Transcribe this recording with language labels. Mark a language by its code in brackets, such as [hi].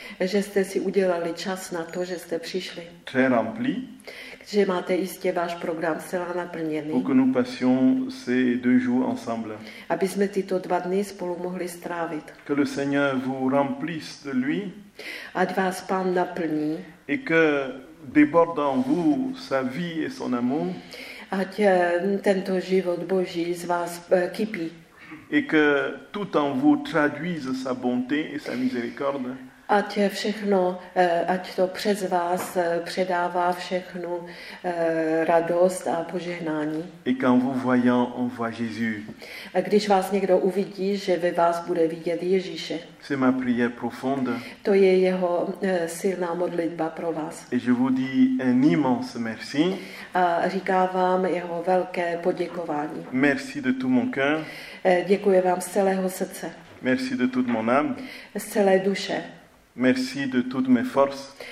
[cs] Že jste si udělali čas na to, že jste přišli. [fr] Très rempli. [cs] Že máte jistě váš program celá naplněný. [fr] Pour que nous passions ces deux jours ensemble. [cs] Aby jsme tyto dva dny spolu mohli strávit. [fr] Que le Seigneur vous remplisse de lui. [cs] Ať vás Pán naplní. [fr] Et que déborde en vous sa vie et son amour. [cs] Ať tento život Boží z vás kypí. [fr] Et que tout en vous traduise sa bonté et sa miséricorde. [cs] Ať všechno, ať to přes vás předává všechnu radost a požehnání. [fr] Et quand vous voyant, on voit Jésus. [cs] A když vás někdo uvidí, že ve vás bude vidět Ježíše. [fr] C'est ma prière profonde. [cs] To je jeho silná modlitba pro vás. [fr] Et je vous dis un immense merci. [cs] A říkám vám jeho velké poděkování. [fr] Merci de tout mon cœur. [cs] Děkuji vám z celého srdce. [fr] Merci de toute mon âme. [cs] Z celé duše. [fr] Merci de toutes mes forces.